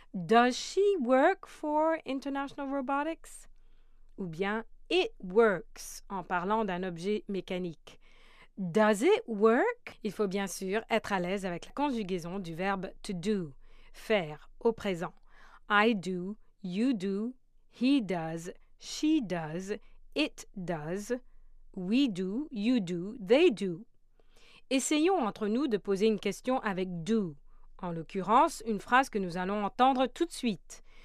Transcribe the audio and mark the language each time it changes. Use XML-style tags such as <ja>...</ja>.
<en>Does she work for International Robotics?</en> <fr>Ou bien,</fr> <en>it works,</en> <fr>en parlant d'un objet mécanique.</fr> <en>Does it work?</en> <fr>Il faut bien sûr être à l'aise avec la conjugaison du verbe to do, faire, au présent.</fr> <en>I do, you do, he does, she does, it does, we do, you do, they do.</en> <fr>Essayons entre nous de poser une question avec « do », en l'occurrence, une phrase que nous allons entendre tout de suite.</fr>